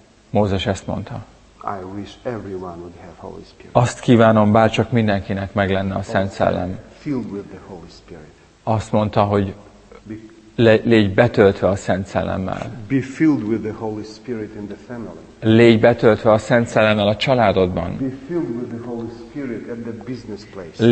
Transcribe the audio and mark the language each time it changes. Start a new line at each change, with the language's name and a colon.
Hungarian: Mózes ezt mondta.
English: I wish everyone would have Holy Spirit.
Hungarian: Azt kívánom, bárcsak mindenkinek meg lenne a Szent Szellem.
English: Filled with the Holy Spirit.
Hungarian: Azt mondta, hogy légy betöltve a Szent Szellemmel.
English: Be filled with the Holy Spirit in the family.
Hungarian: Légy betöltve a Szent Szellemmel a családodban.
English: Be filled with the Holy Spirit at the business place.